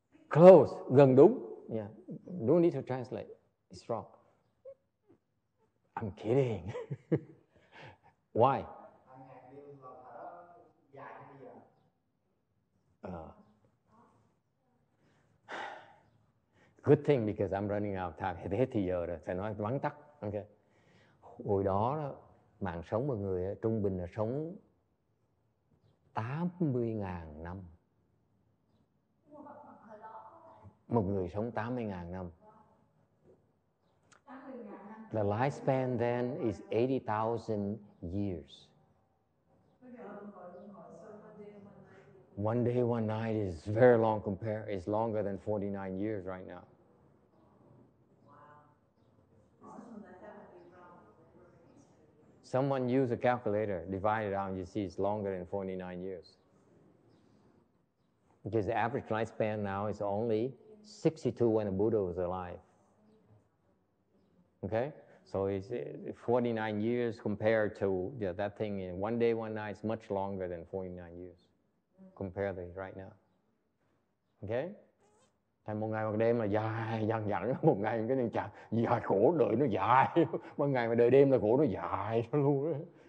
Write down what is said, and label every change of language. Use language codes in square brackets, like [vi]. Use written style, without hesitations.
[en] Close. Gần đúng. Yeah. Don't need to translate. It's wrong. I'm kidding. Why? Good thing because I'm running out of time. [vi] Thế thì giờ rồi, phải nói vắn tắt. Okay. Hồi đó, mạng sống mọi người trung bình là sống 80.000 năm. Một người sống 80.000 năm. [en] The lifespan then is 80,000 years. One day, one night is very long compared. It's longer than 49 years right now. Someone use a calculator, divide it out, and you see it's longer than 49 years. Because the average lifespan now is only 62 when the Buddha was alive. Okay? So it's 49 years compared to that thing in one day, one night, it's much longer than 49 years compared to right now. Okay? [vi] Thành một ngày một đêm là dài, dằng dặn, một ngày cái này chả dài khổ, đời nó dài, một ngày mà đời đêm là khổ nó dài luôn.